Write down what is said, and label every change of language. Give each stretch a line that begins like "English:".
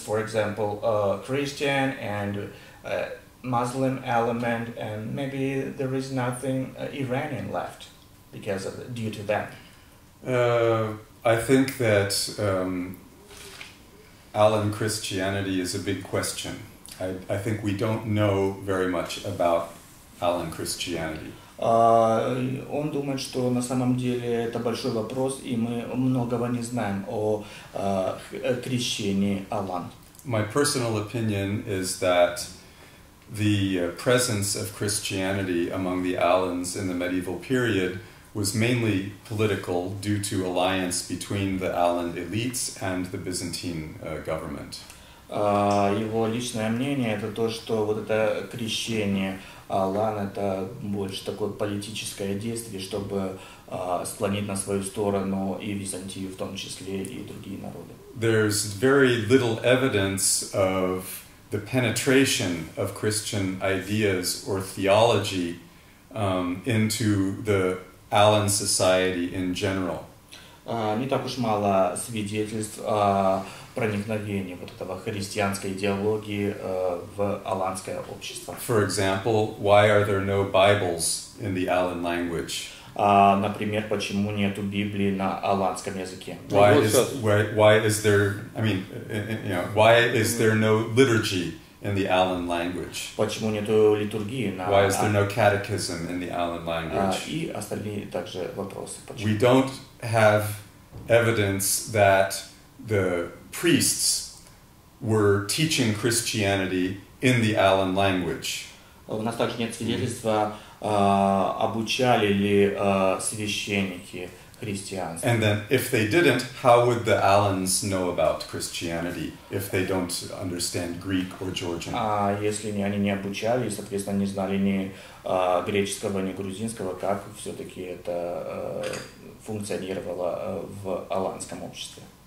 English: For example, Christian and Muslim element, and maybe there is nothing Iranian left because of due to that. I think that Alan Christianity is a big question. I think we don't know very much about Alan Christianity.
Russian: Он думает, что на самом деле это большой вопрос, и мы многого не знаем о крещении Алан.
English: My personal opinion is that the presence of Christianity among the Alans in the medieval period was mainly political due to alliance between the Alan elites and the Byzantine government.
Russian: Его личное мнение это то, что вот это крещение Алан это больше такое политическое действие, чтобы склонить на свою сторону и Византию в том числе и другие народы.
English: There's very little evidence of the penetration of Christian ideas or theology into the Alan society in general.
Russian: Не так уж мало свидетельств проникновения вот этого христианской идеологии в аланское общество.
English: For example, why are there no Bibles in the Alan language?
Russian: Например, почему нету Библии на аланском языке?
English: Why is there no liturgy in the Alan language?
Russian: Почему нету литургии на?
English: Why is there no catechism in the Alan language?
Russian: И остальные также вопросы.
English: We don't have evidence that the priests were teaching Christianity in the Alan language.
Russian: У нас также нет свидетельства, обучали ли священники христианство.
English: And then, if they didn't, how would the Alans know about Christianity if they don't understand Greek or Georgian?
Russian: А если они не обучали, соответственно, не знали ни греческого, ни грузинского, как все-таки это функционировало в аланском обществе?